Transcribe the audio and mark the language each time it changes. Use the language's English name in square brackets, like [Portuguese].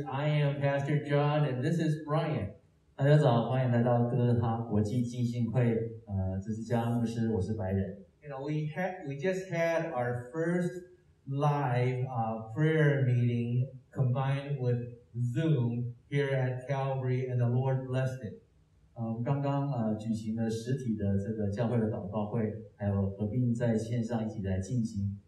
[English] I am Pastor John, and this is Brian. [Chinese] 大家早，欢迎来到哥伦哈国际浸信会。这是加牧师，我是白人。 [English] You know, we just had our first live prayer meeting combined with Zoom here at Calvary, and the Lord blessed it. [Chinese] 我们刚刚举行了实体的这个教会的祷告会，还有合并在线上一起来进行。